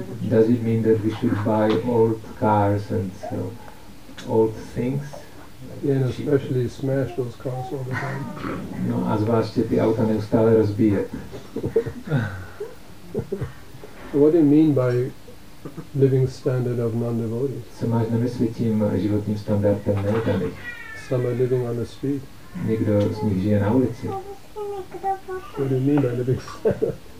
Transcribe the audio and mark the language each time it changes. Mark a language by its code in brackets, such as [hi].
[en] Does it mean that we should buy old cars and old things? Yeah, and especially smash those cars all the time. [cs] No, a zvláště ty auta neustále rozbíjet. [en] What do you mean by living standard of non-devotees? [cs] Co máš na mysli tím životním standardem neoddaných? [en] Some are living on the street. [cs] Někdo z nich žije na ulici. [en] What do you mean by living standard?